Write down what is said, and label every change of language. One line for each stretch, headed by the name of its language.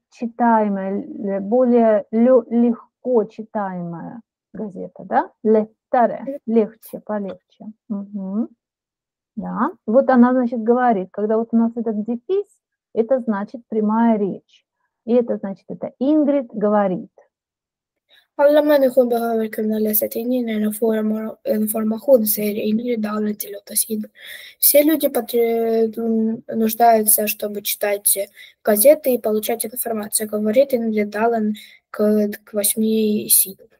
Russian: читаемая, более легко читаемая газета, да?
Swedish: Lettare,
Russian: легче, полегче. Угу. Да. Вот она, значит, говорит, когда вот у нас этот дефис, это значит прямая речь. И это значит, это Ingrid говорит.
Swedish: Alla människor behöver kunna läsa tidningen och få information, säger Ingrid Dalen till Lotta Sid.
Russian: Все люди нуждаются, чтобы читать газеты и получать информацию, говорит Ingrid Dalen к 8 Sid.